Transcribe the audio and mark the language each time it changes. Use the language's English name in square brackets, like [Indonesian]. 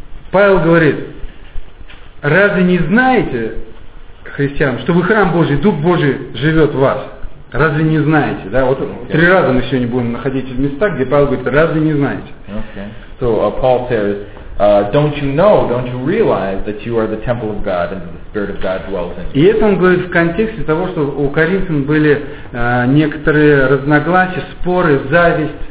[Russian] Павел говорит, разве не знаете... Христиан, что вы храм Божий, Дух Божий живет в вас. Разве не знаете? Да, вот okay. три раза мы сегодня будем находить места, где Павел говорит, разве не знаете? [English] Okay. So Paul says, don't you know, don't you realize that you are the temple of God and the Spirit of God dwells in you? [Russian] И это он говорит в контексте того, что у Коринфян были некоторые разногласия, споры, зависть.